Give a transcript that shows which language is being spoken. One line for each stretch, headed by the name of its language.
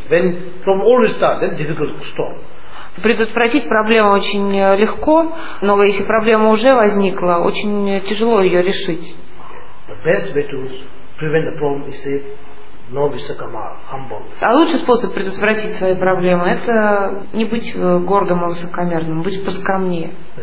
English: When from always start, then difficult to stop.
Russian: Предотвратить проблему очень легко, но если проблема уже возникла, очень тяжело ее решить.
English: The best way to prevent the problem is say, novice kama, humble.
Russian: А лучший способ предотвратить свои проблемы – это не быть гордым и высокомерным, быть поскромнее.